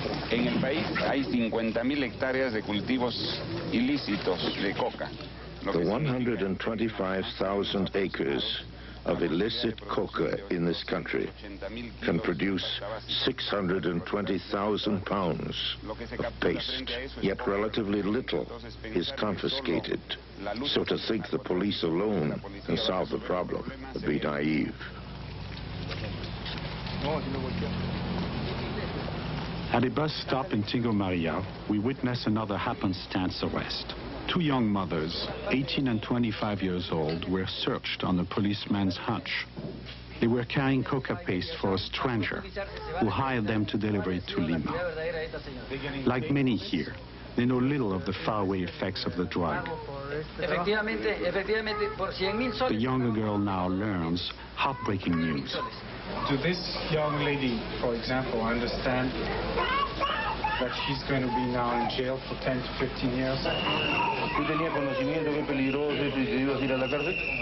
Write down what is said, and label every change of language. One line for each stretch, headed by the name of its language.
Spanish: En el país hay 50,000 hectáreas de cultivos ilícitos de coca.
English: The 125,000 acres of illicit coca in this country can produce 620,000 pounds of paste, yet relatively little is confiscated. So to think the police alone can solve the problem would be naive. At a bus stop in Tingo Maria, we witness another happenstance arrest. Two young mothers, 18 and 25 years old, were searched on a policeman's hunch. They were carrying coca paste for a stranger who hired them to deliver it to Lima. Like many here, they know little of the faraway effects of the drug. The younger girl now learns heartbreaking news. Do this young lady, for example, understand that she's going to be now in jail for 10 to 15 years?
Spanish: ¿Tú tenías conocimiento que peligroso es si ibas a ir a la cárcel?